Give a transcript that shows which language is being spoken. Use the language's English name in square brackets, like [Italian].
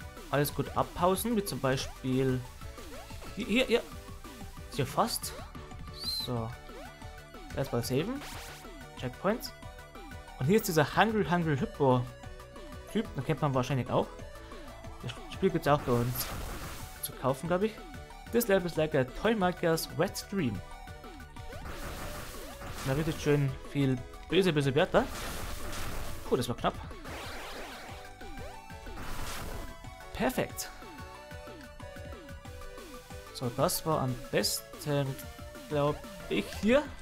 [German] Alles gut abpausen, wie zum Beispiel hier. Ist hier fast. So. Erstmal saven. Checkpoints. Und hier ist dieser Hungry Hungry Hippo Typ. Den kennt man wahrscheinlich auch. Das Spiel gibt es auch bei uns zu kaufen, glaube ich. [English] This level is like a Toy Maker's Wet Dream. [German] Da wird jetzt schön viel böse, böse Wörter. Puh, das war knapp. Perfekt. So, das war am besten, glaube ich, hier.